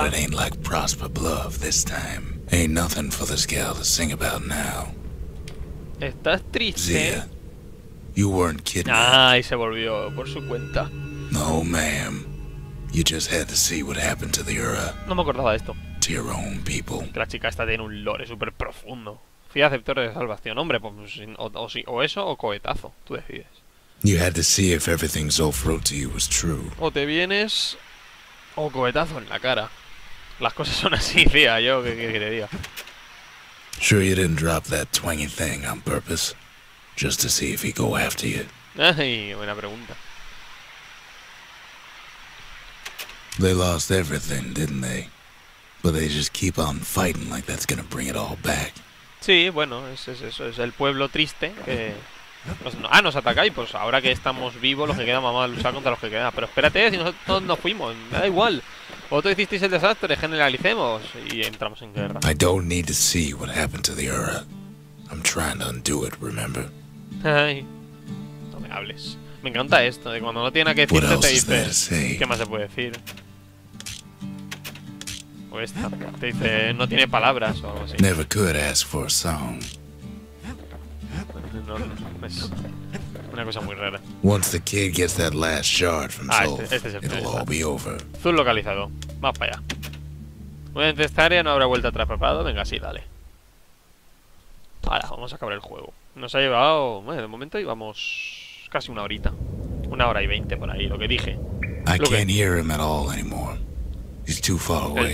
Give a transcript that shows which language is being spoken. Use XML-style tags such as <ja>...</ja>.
<en>But it ain't like Prosper Bluff this time. Ain't nothing for this gal to sing about now.</en> <es>Estás triste.</es> <en>Zia, you weren't kidding.</en> <es>Ay, se volvió por su cuenta.</es> <en>No, ma'am. You just had to see what happened to the Ura.</en> <es>No me acordaba de esto.</es> <en>To your own people.</en> <es>La chica está teniendo un lore súper profundo. Fui aceptor de salvación, hombre, pues o eso o cohetazo, tú decides.</es> <en>You had to see if everything Zulf wrote to you was true.</en> <es>O te vienes o cohetazo en la cara. Las cosas son así, tía, yo qué te diga.</es> <en>Sure you didn't drop that twangy thing on purpose, just to see if he go after you.</en> <es>Ay, buena pregunta.</es> <en>They lost everything, didn't they? But they just keep on fighting like that's gonna bring it all back.</en> <es>Sí, bueno, es eso, es el pueblo triste que nos atacáis, pues ahora que estamos vivos, los que quedan vamos a luchar contra los que quedan. Pero espérate, si nosotros nos fuimos, me da igual. Vosotros hicisteis el desastre, generalicemos y entramos en guerra.</es> <en>I don't need to see what happened to the Ura. I'm trying to undo it, remember?</en> <es>Ay, no me hables. Me encanta esto, de cuando no tiene nada que decirte te dice. ¿Qué más se puede decir? O esta, te dice, no tiene palabras o algo así.</es> <en>Never could ask for a song.</en> <es>No, es una cosa muy rara.</es> <en>Once the kid gets that last shard from Zulf, it'll all be over.</en> <es>Zulf localizado, vamos para allá. Voy a esta área, no habrá vuelta atrás, preparado. Venga, sí, dale. Ahora, vamos a acabar el juego. Nos ha llevado, bueno, de momento íbamos casi una horita. Una hora y veinte por ahí, lo que dije.</es> <en>I can't hear him at all anymore. He's too far away.</en>